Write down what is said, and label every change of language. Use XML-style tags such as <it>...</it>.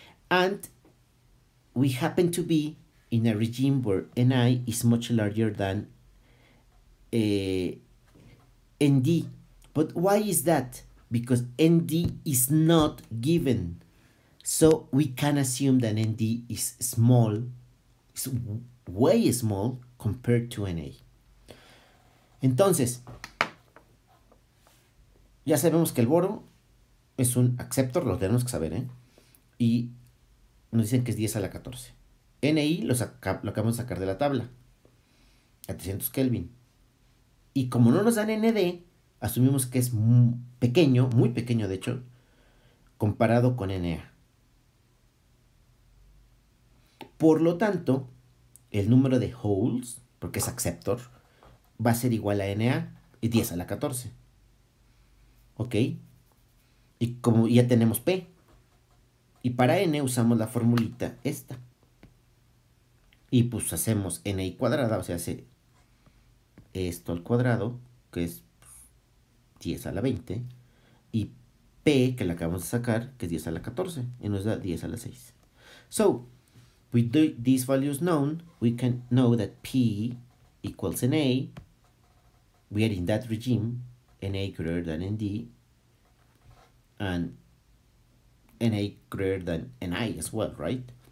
<en>And we happen to be in a regime where Ni is much larger than ND. But why is that? Because ND is not given. So we can assume that ND is small, it's way small compared to Na.</en> <es>Entonces, ya sabemos que el boro es un acceptor, lo tenemos que saber, ¿eh? Y nos dicen que es 10 a la 14. Ni lo acabamos de sacar de la tabla, a 300 Kelvin. Y como no nos dan ND, asumimos que es pequeño, muy pequeño de hecho, comparado con Na. Por lo tanto, el número de holes, porque es acceptor, va a ser igual a Na y 10 a la 14. ¿Ok? Y como ya tenemos P. Y para N usamos la formulita esta. Y pues hacemos ni cuadrada, o sea, hace esto al cuadrado, que es 10 a la 20, y p, que la acabamos de sacar, que es 10 a la 14, y nos da 10 a la 6.</es> <en>So, with these values known, we can know that p equals na, we are in that regime, na greater than nd, and na greater than ni as well, right?</en>